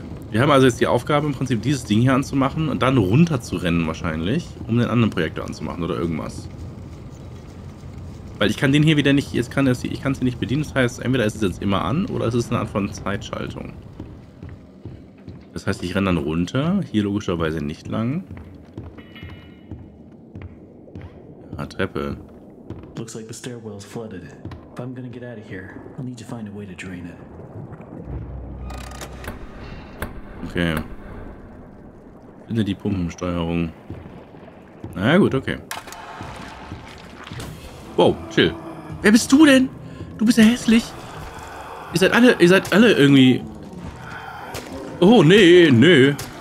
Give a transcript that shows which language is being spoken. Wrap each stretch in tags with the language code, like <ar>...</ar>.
<de>Wir haben also jetzt die Aufgabe, im Prinzip dieses Ding hier anzumachen und dann runterzurennen wahrscheinlich, um den anderen Projektor anzumachen oder irgendwas. Weil ich kann den hier wieder nicht, ich kann es hier nicht bedienen. Das heißt, entweder ist es jetzt immer an oder es ist eine Art von Zeitschaltung. Das heißt, ich renne dann runter. Hier logischerweise nicht lang. Ah, Treppe.</de> <en>Looks like the stairwell's flooded. If I'm gonna get out of here, I'll need to find a way to drain it.</en> <de>Okay. Finde die Pumpensteuerung. Na ja, gut, okay. Wow, chill. Wer bist du denn? Du bist ja hässlich. Ihr seid alle irgendwie... Oh, nee, nee.</de>